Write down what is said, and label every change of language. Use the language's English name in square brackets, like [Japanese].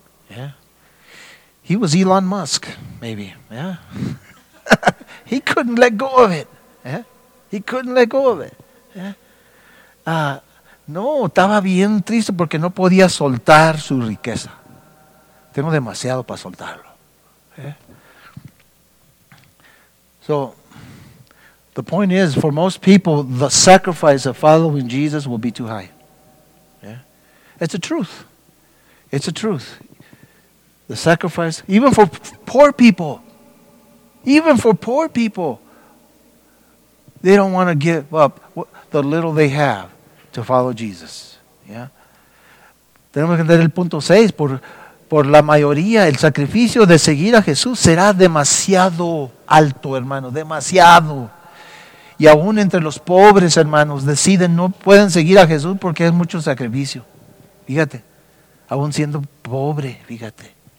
[English] Yeah. He was Elon Musk, maybe. Yeah. He couldn't let go of it. Yeah. He couldn't let go of it. Yeah. [Spanish] No, estaba bien triste porque no podía soltar su riqueza. Tengo demasiado para soltarlo. [English] Okay? So the point is, for most people, the sacrifice of following Jesus will be too high. Yeah? It's a truth. It's a truth. The sacrifice, even for poor people, even for poor people, they don't want to give up the little they have to follow Jesus. [Spanish] Yeah? Tenemos que entender el punto 6. Por la mayoría, el sacrificio de seguir a Jesús será demasiado alto, hermano, demasiado. Y aún entre los pobres, hermanos, deciden no pueden seguir a Jesús porque es mucho sacrificio. Fíjate, aún siendo pobre, fíjate.